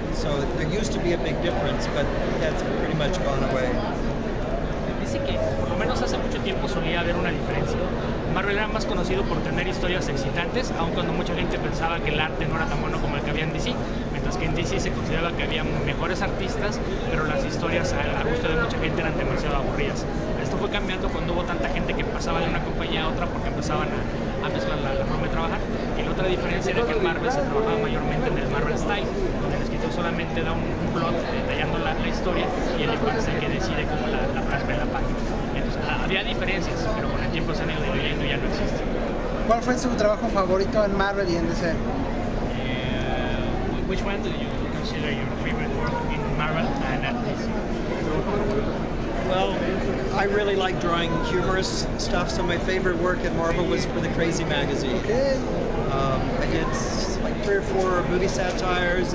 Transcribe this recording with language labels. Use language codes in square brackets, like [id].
[en] So there used to be a big difference, but that's pretty much gone away. [es] Dice que por lo menos hace mucho tiempo solía haber una diferencia. Marvel era más conocido por tener historias excitantes, aun cuando mucha gente pensaba que el arte no era tan bueno como el que había en DC, mientras que en DC se consideraba que había mejores artistas, pero las historias a gusto de mucha gente eran demasiado aburridas. Esto fue cambiando cuando hubo tanta gente que pasaba de una compañía a otra porque empezaban a mezclar la forma de trabajar. Y la otra diferencia era que en Marvel se trabajaba mayormente en el Marvel Style, donde el escritor solamente da un plot detallando la historia y el dibujante es el que decide cómo la plasma en la página. Entonces, había diferencias, pero con el tiempo se han ido diluyendo y ya no existe. ¿Cuál fue su trabajo favorito en Marvel y en DC? [en] Which one do you consider your favorite work in Marvel and at DC? Well, I really like drawing humorous stuff, so my favorite work at Marvel was for the Crazy magazine. Okay. I did like three or four movie satires.